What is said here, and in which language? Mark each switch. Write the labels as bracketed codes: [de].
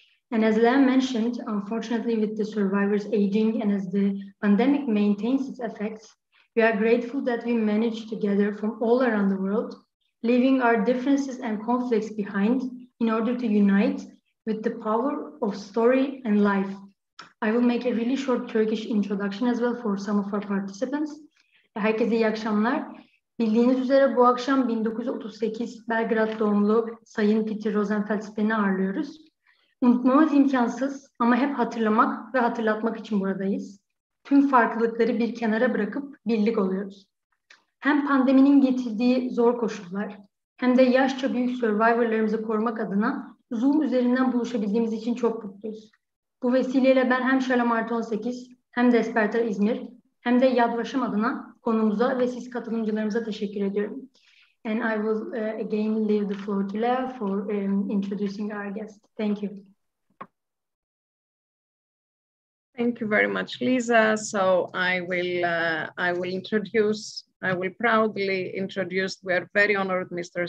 [en] And as Lam mentioned, unfortunately, with the survivors aging and as the pandemic maintains its effects, we are grateful that we managed to gather from all around the world, leaving our differences and conflicts behind in order to unite with the power of story and life. I will make a really short Turkish introduction as well for some of our participants. [tr] Herkese iyi akşamlar. Bildiğiniz üzere bu akşam 1938 Belgrad doğumlu Sayın Peter Rosenfeld Span’i ağırlıyoruz. Unutmamız imkansız ama hep hatırlamak ve hatırlatmak için buradayız. Tüm farklılıkları bir kenara bırakıp birlik oluyoruz. Hem pandeminin getirdiği zor koşullar hem de yaşça büyük survivorlarımızı korumak adına Zoom üzerinden buluşabildiğimiz için çok mutluyuz. Bu vesileyle ben hem Şalom ArtıOnsekiz, hem Despertar İzmir, hem de Yad Vashem adına konuğumuza ve siz katılımcılarımıza teşekkür ediyorum. [en] And I will again leave the floor to Lea for introducing our guest. Thank you. Thank you very much, Liza. So I will proudly introduce, we are very honored, Mr.